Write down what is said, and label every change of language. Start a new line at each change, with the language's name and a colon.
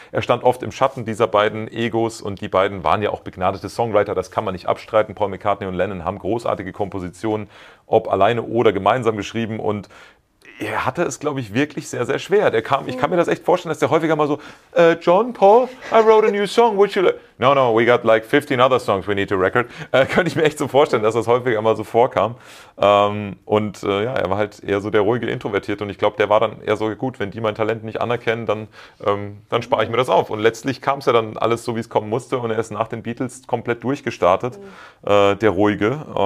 German: Er stand oft im Schatten dieser beiden Egos und die beiden waren ja auch begnadete Songwriter. Das kann man nicht abstreiten. Paul McCartney und Lennon haben großartige Kompositionen, ob alleine oder gemeinsam geschrieben. Und er hatte es, glaube ich, wirklich sehr, sehr schwer. Der kam, ich kann mir das echt vorstellen, dass der häufiger mal so,
English: John, Paul, I wrote a new song, would you like? No, no, we got like 15 other songs we need to record.
German: Könnte ich mir echt so vorstellen, dass das häufiger mal so vorkam. Ja, er war halt eher so der ruhige Introvertierte. Und ich glaube, der war dann eher so, gut, wenn die mein Talent nicht anerkennen, dann spare ich mir das auf. Und letztlich kam es ja dann alles so, wie es kommen musste. Und er ist nach den Beatles komplett durchgestartet, der ruhige.